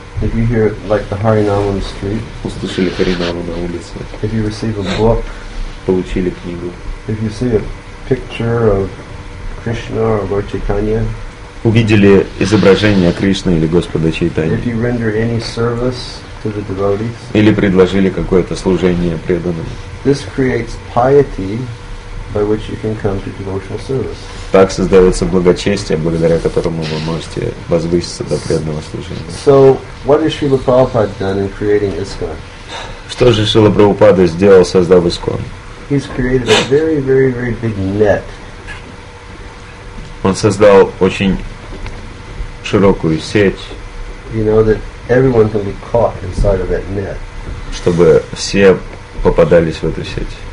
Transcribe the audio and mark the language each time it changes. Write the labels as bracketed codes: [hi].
[en] If you hear like the Harinam on the street, [ru] услышали Харинаму на улице. [en] If you receive a book, [ru] получили книгу. [en] If you see a picture of Krishna or Lord Chaitanya, [ru] увидели изображение Кришны или Господа Чайтаньи. [en] If you render any service to the devotees, [ru] или предложили какое-то служение преданным. [en] This creates piety by which you can come to devotional service. [ru] Так создается благочестие, благодаря которому вы можете возвыситься до преданного служения. [en] So, what has Srila Prabhupada done in creating ISKCON? [ru] Что же Шрила Прабхупада сделал, создав ISKCON? [en] He's created a very, very, very big net. [ru] Он создал очень широкую сеть. [en] You know that everyone can be caught inside of that net. [ru] Чтобы все попадались в эту сеть.